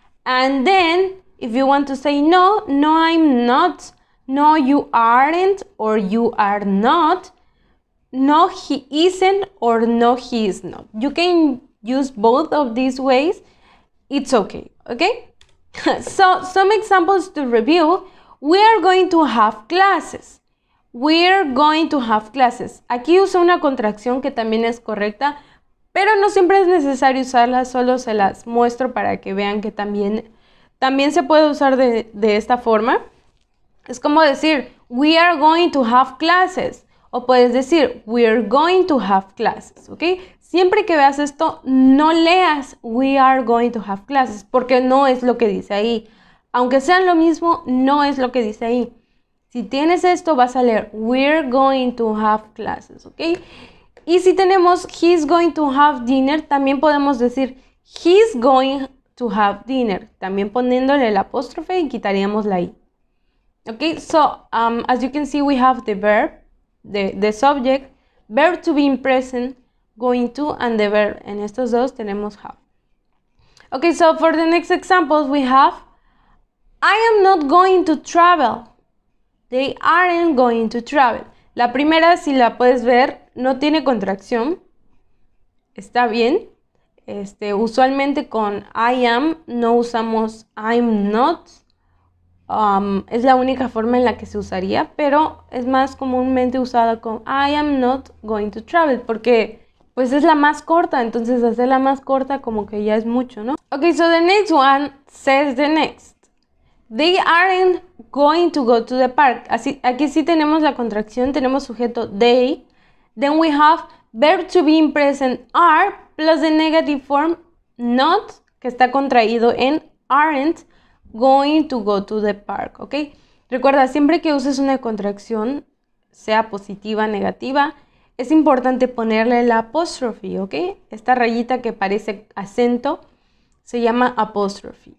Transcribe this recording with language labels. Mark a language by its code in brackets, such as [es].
[en] And then, if you want to say no, no, I'm not, no, you aren't, or you are not, no, he isn't, or no, he is not. You can use both of these ways. It's okay, okay? So, some examples to review. We are going to have classes. We are going to have classes. [es] Aquí uso una contracción que también es correcta, pero no siempre es necesario usarla, solo se las muestro para que vean que también se puede usar de esta forma. Es como decir, [en] we are going to have classes. [es] O puedes decir, [en] we are going to have classes, ¿ok? [es] Siempre que veas esto, no leas [en] we are going to have classes, [es] porque no es lo que dice ahí. Aunque sean lo mismo, no es lo que dice ahí. Si tienes esto, vas a leer [en] we're going to have classes, [es] ¿ok? Y si tenemos [en] he's going to have dinner, [es] también podemos decir [en] he's going to have dinner. [es] También poniéndole el apóstrofe y quitaríamos la i. ¿Ok? [en] So, as you can see, we have the verb, the subject, verb to be in present, going to, and the verb. [es] En estos dos tenemos [en] have. Ok, so for the next examples, we have I am not going to travel. They aren't going to travel. [es] La primera, si la puedes ver, no tiene contracción. Está bien. Usualmente con [en] I am [es] no usamos [en] I'm not. [es] Es la única forma en la que se usaría, pero es más comúnmente usada con [en] I am not going to travel, [es] porque pues es la más corta, entonces hacerla más corta como que ya es mucho, ¿no? [en] Ok, so the next one says the next. They aren't going to go to the park. [es] Así, aquí sí tenemos la contracción, tenemos sujeto they. [en] Then we have verb to be in present are plus the negative form not, [es] que está contraído en [en] aren't going to go to the park, ¿ok? [es] Recuerda, siempre que uses una contracción, sea positiva o negativa, es importante ponerle la apóstrofe, ¿ok? Esta rayita que parece acento se llama apóstrofe.